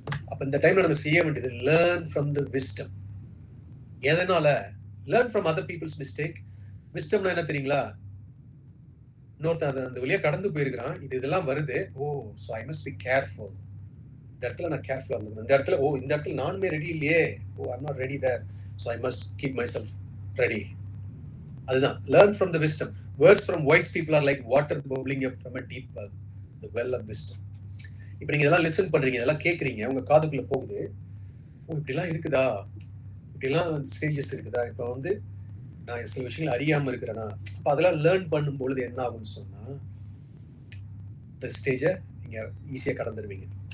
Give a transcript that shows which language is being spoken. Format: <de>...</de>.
<ta>அப்போ இந்த டைம்ல நம்ம செய்ய வேண்டியது லேர்ன் ஃப்ரம் த விஸ்டம். எதனால learn from other peoples mistake? விஸ்டம்னா என்ன தெரியுங்களா? இன்னொருத்தன் அந்த வழியாக கடந்து போயிருக்கிறான், இது இதெல்லாம் வருது, ஓ so I must be careful. இந்த இடத்துல நான் கேர்ஃபுல்லாக இருந்தேன், இந்த இடத்துல ஓ இந்த இடத்துல நானுமே ரெடி இல்லையே, ஓ I not ready there, so I must keep my self ready.</ta> <en>அதுதான் learn from the wisdom. Words from wise people are like water bubbling up from a deep well, the well of wisdom.</en> <ta>இப்ப நீங்க இதெல்லாம் listen பண்றீங்க, இதெல்லாம் கேக்குறீங்க, உங்க காதுக்குள்ள போகுது, ஓ இப்படி எல்லாம் இருக்குதா, இப்படி எல்லாம் ஸ்டேஜஸ் இருக்குதா, இப்ப வந்து நான் சில விஷயங்கள் அறியாம இருக்கிறேன்னா. அப்ப அதெல்லாம் லேர்ன் பண்ணும் பொழுது என்ன ஆகும்னு சொன்னா, இந்த ஸ்டேஜ நீங்க ஈஸியா கடந்துருவீங்க.</ta>